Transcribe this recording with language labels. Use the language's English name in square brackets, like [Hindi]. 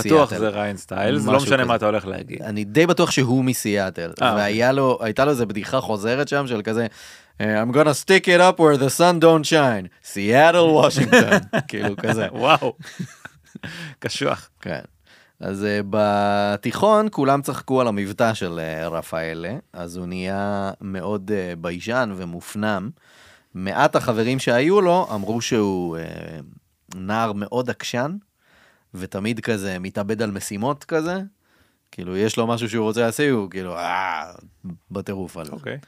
[Hebrew] בטוח זה ריין סטיילס, לא משנה מה אתה הולך להגיד. אני די בטוח שהוא מסיאטל. והייתה לו איזו בדיחה חוזרת שם של כזה, [English] I'm gonna stick it up where the sun don't shine. [Hebrew] Seattle, Washington. כאילו כזה. וואו. קשוח. כן. אז בתיכון כולם צחקו על המבטא של רפאלה, אז הוא נהיה מאוד ביישן ומופנם. מעט החברים שהיו לו אמרו שהוא נער מאוד עקשן, ותמיד כזה מתאבד על משימות כזה, כאילו יש לו משהו שהוא רוצה לעשות, הוא כאילו בטירוף עליו.